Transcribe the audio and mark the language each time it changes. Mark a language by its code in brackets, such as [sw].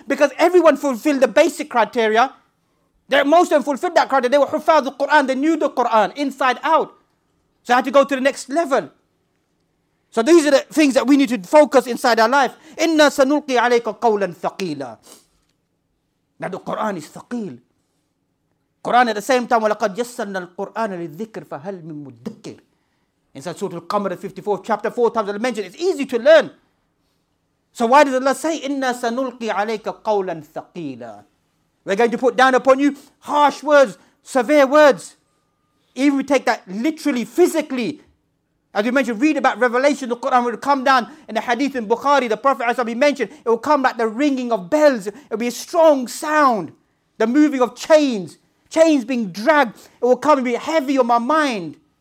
[en] Because everyone fulfilled the basic criteria. Most of them fulfilled that criteria. They were hufaz al-Quran. They knew the Quran inside out. So I had to go to the next level. So these are the things that we need to focus inside our life. [ar] إِنَّا سَنُلْقِي عَلَيْكَ قَوْلًا ثَقِيلًا. [en] Now the Quran is thaqeel. Quran at the same time, [ar] وَلَقَدْ يَسَّلْنَا الْقُرْآنَ لِلذِّكْرِ فَهَلْ مِن مُدَّكِرٍ. [en] Inside Surah Al-Qamr 54, chapter 4 times, I'll mention it. It's easy to learn. So why does Allah say, [ar] إِنَّا سَنُلْقِي عَلَيْكَ قَوْلًا ثَقِيلًا. [en] We're going to put down upon you harsh words, severe words. Even we take that literally, physically. As you mentioned, read about Revelation, the Quran will come down in the hadith in Bukhari, the Prophet as he mentioned, it will come like the ringing of bells, it will be a strong sound, the moving of chains being dragged, it will come and be heavy on my mind.